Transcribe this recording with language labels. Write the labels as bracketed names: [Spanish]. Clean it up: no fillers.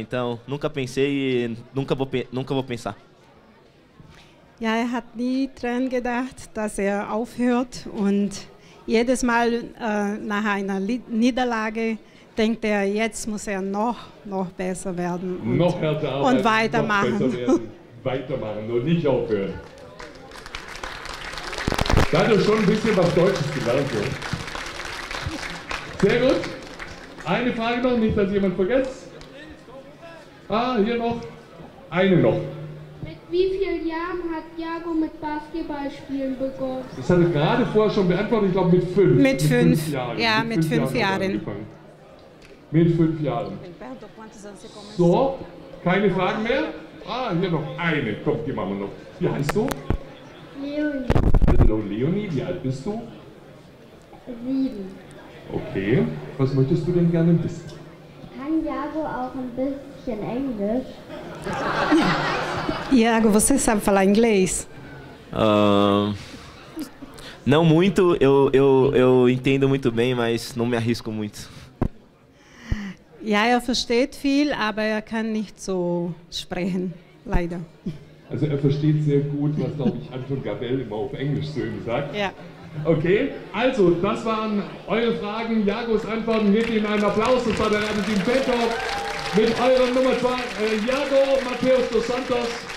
[Portuguese] Então, nunca pensei e nunca vou pensar. [German] Ja, er hat nie dran gedacht, dass er aufhört, und jedes Mal nach einer Niederlage denkt er, jetzt muss er noch besser werden und, noch härter arbeiten, und weitermachen. Noch weitermachen und nicht aufhören. Da hat er schon ein bisschen was Deutsches gelernt. Ja. Sehr gut. Eine Frage noch, nicht, dass jemand vergesst. Ah, hier noch. Eine noch. Mit wie vielen Jahren hat Thiago mit Basketballspielen begonnen? Das hat er gerade vorher schon beantwortet, ich glaube mit fünf. Mit fünf Jahren. Ja, mit fünf Jahren. Mit fünf Jahren. So, keine Fragen mehr? Ah, hier noch eine. Komm, die machen wir noch. Wie heißt du? Leonie. Hallo Leonie, wie alt bist du? 7. Okay, was möchtest du denn gerne wissen? Kann Iago auch ein bisschen Englisch? [Portuguese] Iago, você sabe falar inglês? Não muito, eu entendo muito bem, mas não me arrisco muito. [German] Ja, er versteht viel, aber er kann nicht so sprechen, leider. Also er versteht sehr gut, was, glaube ich, Anton Gabel immer auf Englisch zu ihm sagt. Ja. Okay, also das waren eure Fragen, Iagos Antworten. Gebt ihm einen Applaus, das war der Radio-Team Bettdorf mit eurer Nummer 2, Iago Mateus dos Santos.